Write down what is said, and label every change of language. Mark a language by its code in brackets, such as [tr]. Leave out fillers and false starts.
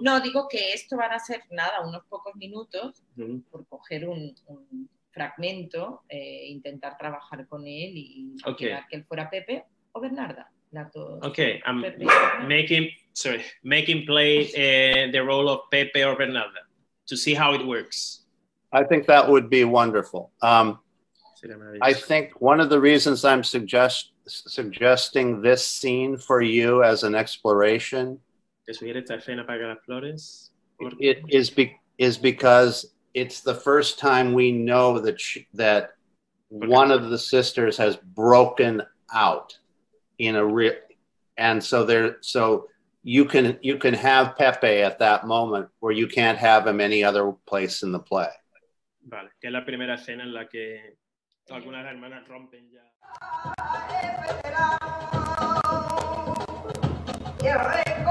[es] No, digo que esto van a ser nada, unos pocos minutos por coger un fragmento, intentar trabajar con él y quedar que él fuera Pepe o Bernarda. [en] Making play the role of Pepe or Bernarda to see how it works. I think that would be wonderful. I think one of the reasons I'm suggesting this scene for you as an exploration is because it's the first time we know that one of the sisters has broken out. So you can have Pepe at that moment where you can't have him any other place in the play. [es] Vale, que es la primera escena en la que algunas hermanas rompen ya.